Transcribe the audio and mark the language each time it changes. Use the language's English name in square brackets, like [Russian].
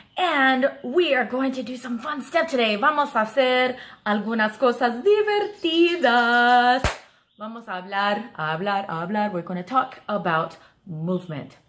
[English] And we are going to do some fun stuff today. [Spanish] Vamos a hacer algunas cosas divertidas. Vamos a hablar. [English] We're going to talk about movement.